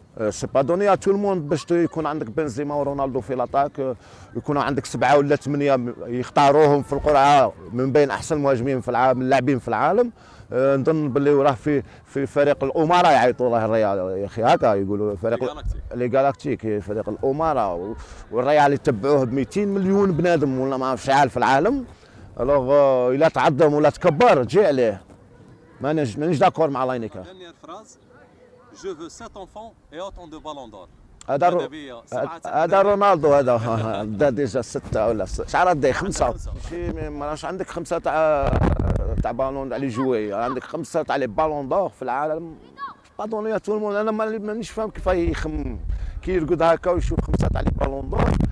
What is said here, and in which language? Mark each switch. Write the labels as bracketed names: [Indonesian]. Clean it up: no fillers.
[French] سي با دوني ا تو الموند [Arabic] باش يكون عندك بنزيما ورونالدو في لاطاك يكونوا عندك سبعه ولا ثمانيه يختاروهم في القرعه من بين احسن مهاجمين في العالم اللاعبين في العالم نظن بلي راه في فريق الاماره يعيطوا له الريال يا اخي هكا يقولوا فريق [French] لي جالاكتيك [Arabic] فريق الاماره والريال يتبعوه ب 200 مليون بنادم ولا ما عرفش شحال في العالم الوغ الا تعظم ولا تكبر جي عليه ما نجيش داكور مع لاينيكا [French] Je veux 7 enfants et autant de ballons d'or. [Arabic] هذا رونالدو هذا دا ديجا ستة ولا شحال دا خمسة ماشي ما راهش عندك خمسة تاع تاع بالون على جوي عندك خمسة تاع [French] لي بالون دور [Arabic] في العالم [French] بادوني تو المون [Arabic] انا مانيش فاهم كيف يخم كي يرقد هكا ويشوف خمسة تاع لي بالون دور